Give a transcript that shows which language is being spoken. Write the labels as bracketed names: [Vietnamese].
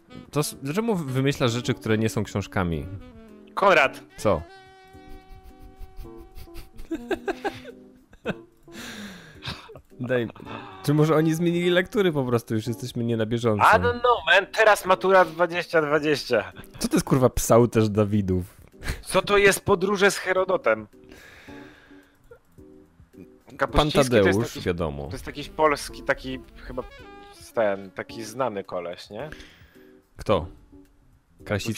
[Polish] To czemu wymyślasz rzeczy, które nie są książkami? Konrad! Co? Daj, czy może oni zmienili lektury po prostu, już jesteśmy nie na bieżąco? [English] I don't know, man, [Polish] teraz matura 2020. Co to jest, kurwa, Psał też Dawidów? Co to jest Podróże z Herodotem? Pan Tadeusz, taki, wiadomo. To jest jakiś polski, taki chyba ten, taki znany koleś, nie? Kto? Krasicki?